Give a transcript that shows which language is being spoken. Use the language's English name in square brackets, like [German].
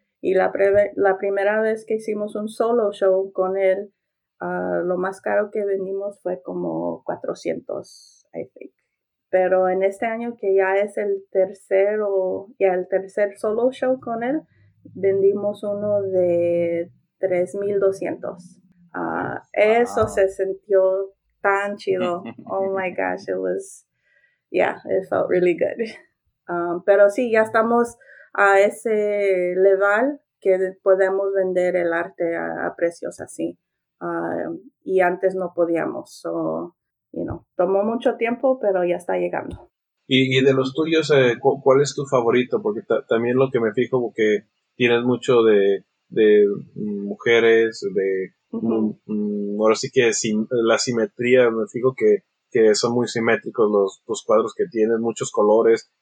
[Spanish] Y la primera vez que hicimos un solo show con él, lo más caro que vendimos fue como 400, [English] I think. [Spanish] Pero en este año, que ya es el tercer solo show con él, vendimos uno de 3,200. Eso se sintió tan chido. [English] Oh my gosh, it felt really good. [Spanish] Pero sí, ya estamos a ese level que podemos vender el arte a precios así. Y antes no podíamos. [English] So, you know, [Spanish] tomó mucho tiempo, pero ya está llegando. Y de los tuyos, ¿cuál es tu favorito? Porque también lo que me fijo, porque tienes mucho de mujeres, de ahora sí que la simetría, me fijo que son muy simétricos los cuadros que tienes, muchos colores.